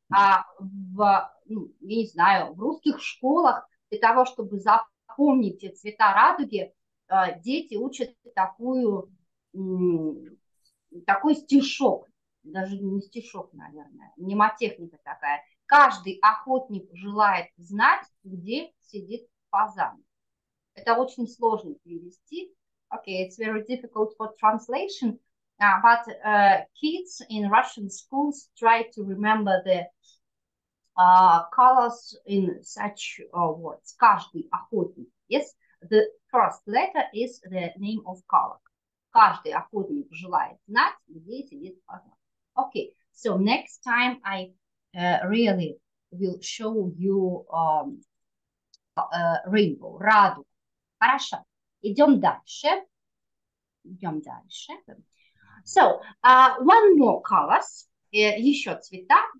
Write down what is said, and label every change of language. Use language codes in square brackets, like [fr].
[ru] А в, ну, я не знаю, в русских школах для того, чтобы запомнить цвета радуги, дети учат такой стишок. Даже не стишок, наверное, мнемотехника такая. Каждый охотник желает знать, где сидит фазан. Это очень сложно перевести. [en] Okay, it's very difficult for translation. But kids in Russian schools try to remember the colors in such words. [ru] Каждый охотник. [en] Yes, the first letter is the name of color. [ru] Каждый охотник желает знать, где сидит фазан. [en] Okay, so next time I really will show you rainbow, radu. [ru] Хорошо. Идем дальше. Идем дальше. [en] So, one more colors. [ru] Еще цвета.